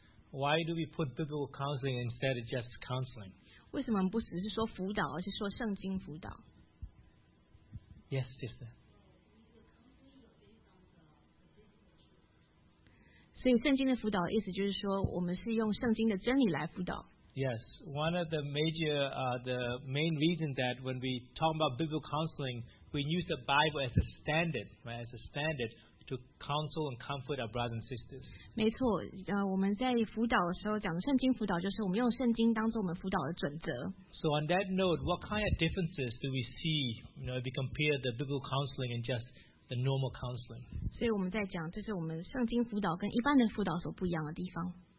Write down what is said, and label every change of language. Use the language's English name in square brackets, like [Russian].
[English] Why do we put biblical counseling instead of just counseling? [Chinese] 为什么不只是说辅导, 而是说圣经辅导? [English] Yes, sister. [Chinese] 所以圣经的辅导意思就是说, 我们是用圣经的真理来辅导。 [English] Yes, one of the major, the main reason that when we talk about biblical counseling, we use the Bible as a standard, right, as a standard to counsel and comfort our brothers and sisters. [Chinese] 没错, 我们在辅导的时候讲圣经辅导就是我们用圣经当作我们辅导的准则。 [English] So on that note, what kind of differences do we see, you know, if we compare the biblical counseling and just the normal counseling? [Chinese] 所以我们在讲就是我们圣经辅导跟一般的辅导所不一样的地方。